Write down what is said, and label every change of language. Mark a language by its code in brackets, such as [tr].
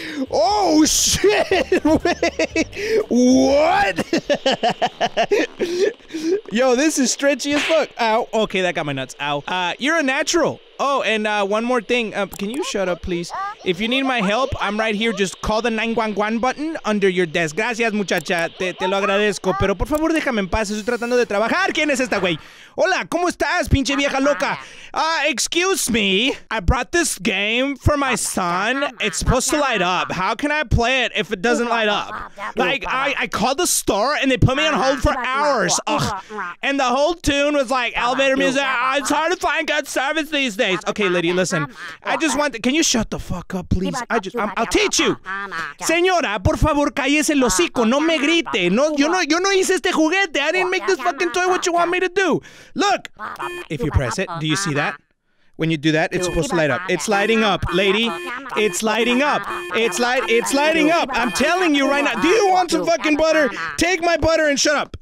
[en] Oh shit! Wait, what? Yo, this is stretchy as fuck. Ow. Okay, that got my nuts. Ow. You're a natural. Oh, and one more thing. Can you shut up, please? If you need my help, I'm right here. Just call the 911 button under your desk. [es] Gracias, muchacha. Te lo agradezco. Pero por favor, déjame en paz. Estoy tratando de trabajar. ¿Quién es esta, güey? Hola, ¿cómo estás, pinche vieja loca? [en] Excuse me. I brought this game for my son. It's supposed to light up. How can I play it if it doesn't light up? Like, I called the store, and they put me on hold for hours. Ugh. And the whole tune was like elevator music. It's hard to find good service these days. Okay, lady, listen. I just want to... Can you shut the fuck up, please? I'll teach you. [es] Señora, por favor, cállese el hocico. No me grite. No, yo no hice este juguete. [en] I didn't make this fucking toy. What you want me to do? Look. If you press it, do you see that? When you do that, it's supposed to light up. It's lighting up, lady. It's lighting up. It's lighting up. I'm telling you right now. Do you want some fucking butter? Take my butter and shut up.